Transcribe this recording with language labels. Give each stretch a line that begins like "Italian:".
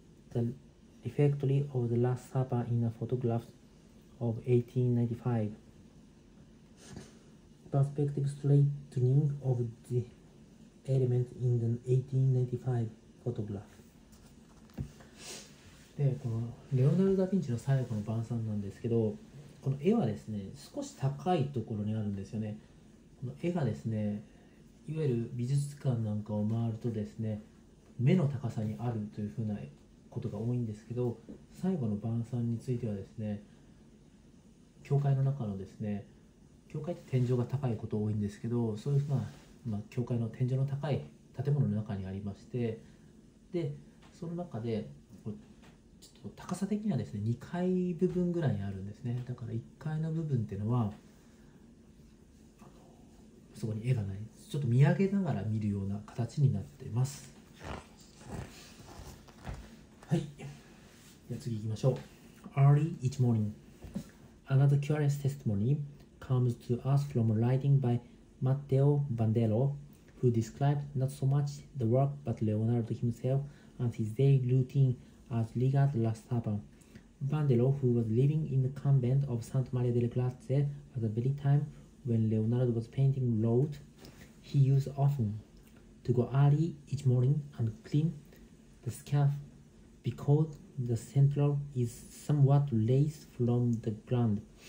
English: The refectory of the Last Supper in a photograph of 1895. Perspective straightening of the elements in the 1895 photograph.
Japanese: で、このレオナルド・ダ・ヴィンチの最後の晩餐なんですけど、この絵はですね、少し高いところにあるんですよね。この絵がですね、いわゆる美術館なんかを回るとですね、目の高さにあるというふうなことが多いんですけど、最後の晩餐についてはですね、教会の中のですね、教会って天井が高いこと多いんですけど、そういうふうな、まあ、教会の天井の高い建物の中にありまして、で、その中で、ちょっと高さ的にはですね、2階部分ぐらいにあるんですね。だから1階の部分っていうのは、そこに絵がない、ちょっと見上げながら見るような形になっています。はい。じゃあ次行きましょう。
English: Early each morning. Another curious testimony. comes to us from a writing by Matteo Bandello, who described not so much the work but Leonardo himself and his daily routine as regards La Saba. Bandello, who was living in the convent of Santa Maria delle Grazie at the very time when Leonardo was painting, wrote, he used often to go early each morning and clean the scarf because the central is somewhat raised from the ground.